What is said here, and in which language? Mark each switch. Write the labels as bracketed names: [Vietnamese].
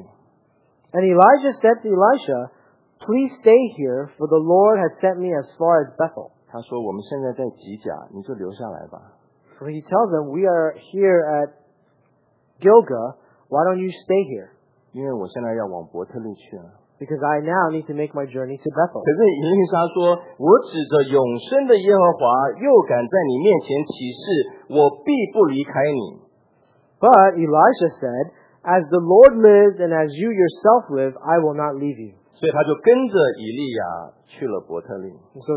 [English] Elijah said to Elisha, please stay here, for the Lord has sent me as far as Bethel. [Chinese] 他说，我们现在在基甲，你就留下来吧。 [English] So he tells them, we are here at Gilgal, why don't you stay here? [Chinese] 因为我现在要往伯特利去了。 [English] Because I now need to make my journey to Bethel. [Chinese] 可是以利莎说，我指着永生的耶和华，又敢在你面前起誓，我必不离开你。 [English] But Elisha said, as the Lord lives and as you yourself live, I will not leave you. [Chinese] 所以他就跟着以利亚去了伯特利。 [English] So